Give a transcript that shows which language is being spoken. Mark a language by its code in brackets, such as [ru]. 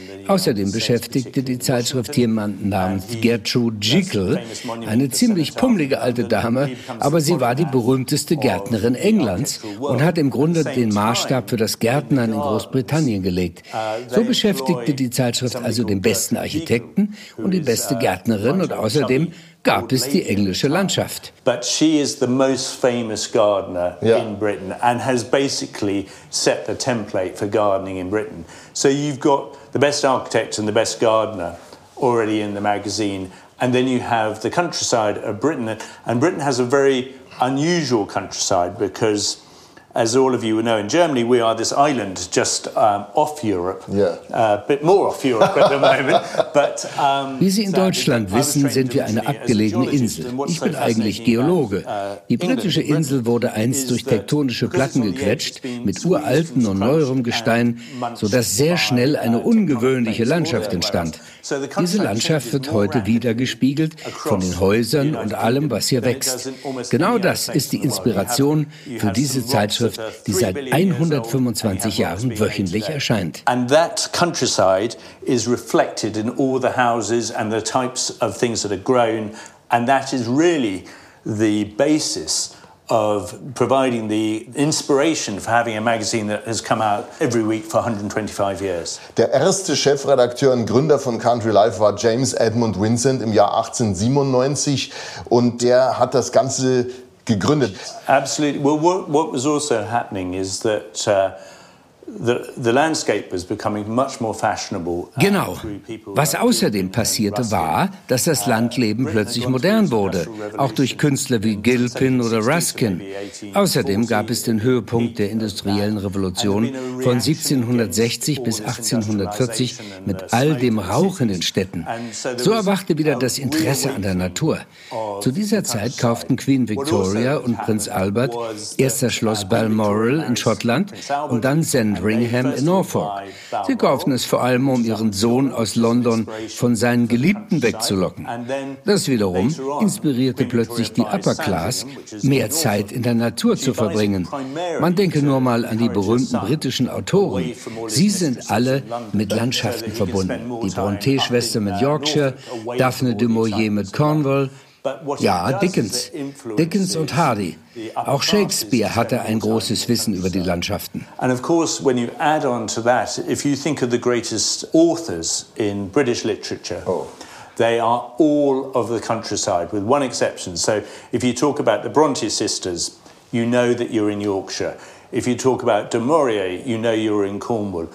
[de] Außerdem beschäftigte die Zeitschrift jemanden namens Gertrude Jekyll, eine ziemlich pummelige alte Dame, aber sie war die berühmteste Gärtnerin Englands und hat im Grunde den Maßstab für das Gärtnern in Großbritannien gelegt. So beschäftigte die Zeitschrift also den besten Architekten und die beste Gärtnerin und außerdem gab es die englische Landschaft. [en] But she is the most famous gardener in Britain and has basically set the template for gardening in Britain. So you've got the best architect and the best gardener already in the magazine, and then you have the countryside of Britain, and Britain has a very unusual countryside because, as all of you know, in Germany we are this island just off Europe. Yeah. A bit more off Europe at the moment. But [de] wie Sie in Deutschland wissen, sind wir eine abgelegene Insel. Ich bin eigentlich Geologe. Die britische Insel wurde einst durch tektonische Platten gequetscht mit uraltem und neuerem Gestein, so dass sehr schnell eine ungewöhnliche Landschaft entstand. Diese Landschaft wird heute widergespiegelt von den Häusern und allem, was hier wächst. Genau das ist die Inspiration für diese Zeitschrift, die seit 125 Jahren wöchentlich erscheint. [en] And that countryside is reflected in all the houses and the types of things that are grown, and that is really the basis of providing the inspiration for having a magazine that has come out every week for 125 years. [de] Der erste Chefredakteur und Gründer von Country Life war James Edmund Vincent im Jahr 1897, und der hat das Ganze gegründet. [en] Absolutely. Well, what was also happening is that the landscape was becoming much more fashionable. [de] Genau. Was außerdem passierte, war, dass das Landleben plötzlich modern wurde, auch durch Künstler wie Gilpin oder Ruskin. Außerdem gab es den Höhepunkt der industriellen Revolution von 1760 bis 1840 mit all dem Rauch in den Städten. So erwachte wieder das Interesse an der Natur. Zu dieser Zeit kauften Queen Victoria und Prinz Albert erst das Schloss Balmoral in Schottland und dann Sandringham in Norfolk. Sie kauften es vor allem, um ihren Sohn aus London von seinen Geliebten wegzulocken. Das wiederum inspirierte plötzlich die Upper Class, mehr Zeit in der Natur zu verbringen. Man denke nur mal an die berühmten britischen Autoren. Sie sind alle mit Landschaften verbunden. Die Bronte-Schwester mit Yorkshire, Daphne du Maurier mit Cornwall. Ja, Dickens. Dickens und Hardy. Auch Shakespeare hatte ein großes Wissen über die Landschaften. [en] And of course, when you add on to that, if you think of the greatest authors in British literature, they are all of the countryside, with one exception. So if you talk about the Bronte sisters, you know that you're in Yorkshire. If you talk about du Maurier, you know you're in Cornwall.